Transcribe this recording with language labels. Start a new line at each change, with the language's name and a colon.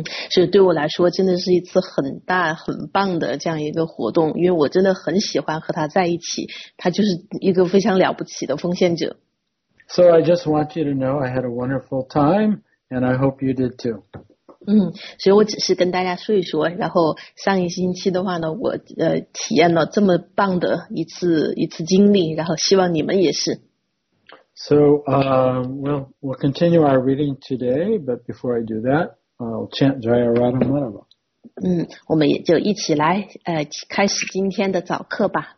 Chinese: 是对我来说真的是一次很大很棒的这样一个活动，因为我真的很喜欢和他在一起，他就是一个非常了不起的奉献者。
English: So I just want you to know I had a wonderful time, and I hope you did too.
Chinese: 所以我只是跟大家说一说，然后上一星期的话呢，我体验了这么棒的一次经历，然后希望你们也是。
English: So, we'll continue our reading today, but before I do that, I'll chant Jaya Radha Madhava.
Chinese: 我们也就一起来开始今天的早课吧。